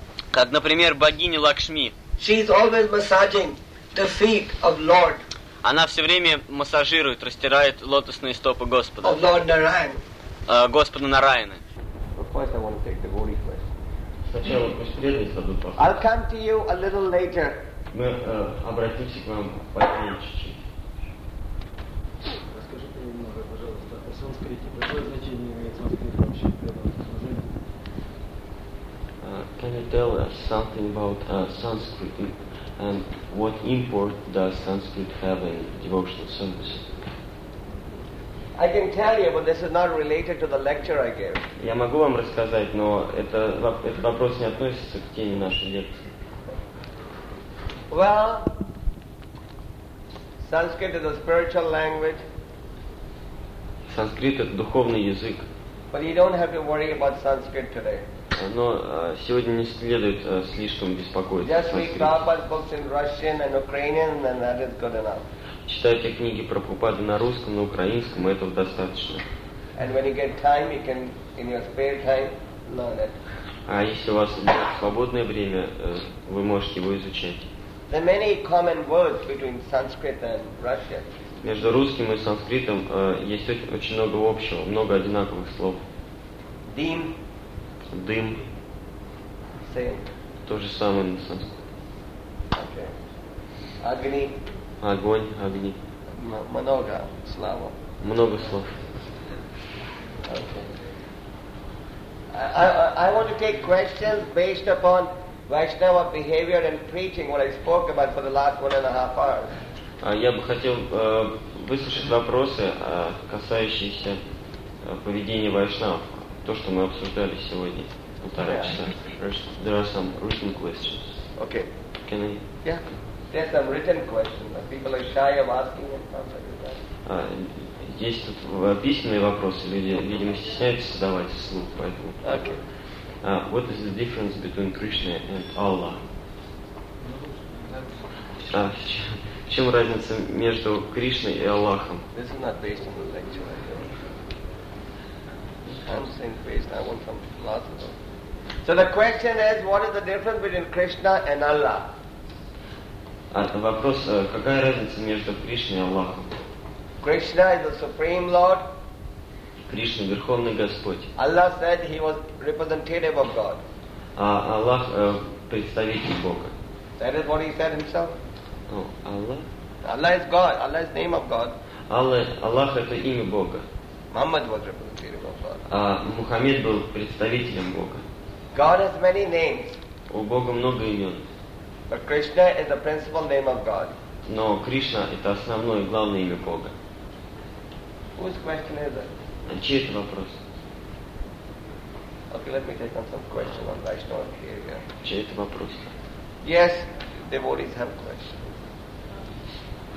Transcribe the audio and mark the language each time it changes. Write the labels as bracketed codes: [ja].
[ru] Как, например, богиня Лакшми. [en] She is always massaging the feet of Lord. [ru] Она все время массажирует, растирает лотосные стопы Господа. [en] Of Lord Narayana. [ru] Господа Нараяны. [en] I'll come to you a little later. [ru] Мы обратимся к вам позже. Расскажите немного, пожалуйста, о санскрите. Какое значение имеет санскрит вообще для вас? [en] Can you tell us something about Sanskrit? And what import does Sanskrit have in devotional service? I can tell you, but this is not related to the lecture I gave. [ru] Я могу вам рассказать, но этот вопрос не относится к теме нашей лекции. [en] Well, Sanskrit is a spiritual language. [ru] Санскрит — это духовный язык. [en] But you don't have to worry about Sanskrit today. [ru] Но сегодня не следует слишком беспокоиться. [en] Just read Prabhupada's books in Russian and Ukrainian, and that is good enough. [ru] Читайте книги Прабхупады на русском, на украинском, этого достаточно. [en] And when you get time, you can, in your spare time, learn it. [ru] А если у вас будет свободное время, вы можете его изучать. [en] There are many common words between Sanskrit and Russian. [ru] Между русским и санскритом есть очень много общего, много одинаковых слов. Дым. Дым. [en] Same. [ru] То же самое на санскрите. Okay. Огни. Огонь, огни. Много слов. Много слов. [en] I want to take questions based upon Vaishnava behavior and preaching, what I spoke about for the last 1.5 hours. [ru] Я бы хотел выслушать вопросы, касающиеся поведения вайшнав, то, что мы обсуждали сегодня, полтора часа. [en] There are some written questions. Okay. Can I? Yeah. There are some written questions. People are shy of asking and stuff like that. [ru] Есть тут письменные вопросы, люди, видимо, стесняются задавать вслух, поэтому. [en] Okay. What is the difference between Krishna and Allah? [ru] В чем разница между Кришной и Аллахом? [en] This is not based on the lecture, I don't know. I'm saying based, I want some philosophy. So the question is, what is the difference between Krishna and Allah? [ru] Вопрос, какая разница между Кришной и Аллахом? [en] Krishna is the Supreme Lord. [ru] Кришна – Верховный Господь. [en] Allah said he was representative of God. [ru] Аллах – представитель Бога. [en] That is what he said himself. Oh, Allah? Allah is God. Allah is name of God. [ru] Allah – это имя Бога. [en] Muhammad was representative of God. [ru] Мухаммед был представителем Бога. [en] God has many names. [ru] У Бога много имен. [en] But Krishna is the principal name of God. [ru] Но Кришна – это основное, главное имя Бога. [en] Whose question is it? [ru] Чей это вопрос? [en] Okay, let me take on some question on Vaishnava behavior. [ru] Чей это вопрос? [en] Yes, devotees have questions.